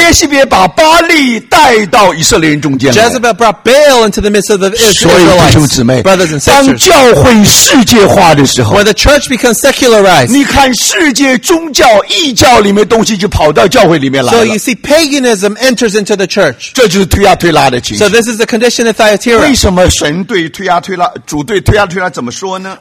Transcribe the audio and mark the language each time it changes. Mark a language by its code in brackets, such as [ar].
[zh] 耶西别把巴利带到以色列人中间来。 [en] Jezebel brought Baal into the midst of the Israelites. [zh] 所以弟兄姊妹 [en] brothers and sisters, [zh] 当教会世界化的时候 [en] when the church becomes secularized, [zh] 你看世界宗教异教里面东西就跑到教会里面来了。 [en] So you see paganism enters into the church. [zh] 这就是推亚推拉的情形。 [en] So this is the condition of Thyatira. [zh] 为什么神对推亚推拉主对推亚推拉怎么说呢